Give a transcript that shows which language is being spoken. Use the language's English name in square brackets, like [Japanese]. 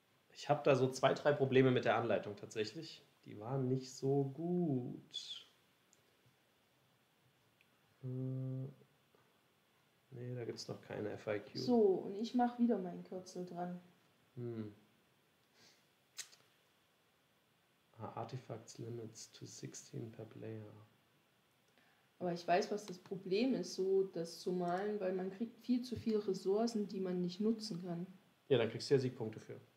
[German] Ich habe da so 2-3 Probleme mit der Anleitung tatsächlich. Die waren nicht so gut. Nee, da gibt es noch keine FAQ. So, und ich mache wieder meinen Kürzel dran. [English] Artifacts limits to 16 per player. [German] Aber ich weiß, was das Problem ist, so das zu malen, weil man kriegt viel zu viele Ressourcen, die man nicht nutzen kann. Ja, dann kriegst du ja Siegpunkte für.